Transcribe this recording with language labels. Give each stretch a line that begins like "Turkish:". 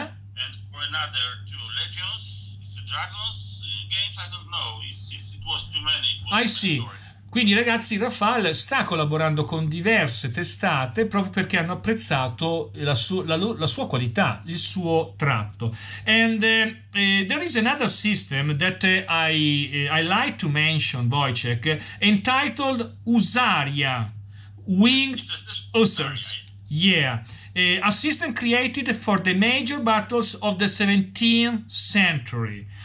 English: And for another two Legions, it's a Dragons games. I don't know. It was too many. It I was too many stories.
Italian: Quindi, ragazzi, Rafal sta collaborando con diverse testate proprio perché hanno apprezzato la sua qualità, il suo tratto.
English: And there is another system that I like to mention, Wojciech, entitled Usaria Yes, Winged it's a Usaria. Ussars. Yeah. A system created for the major battles of the 17th century.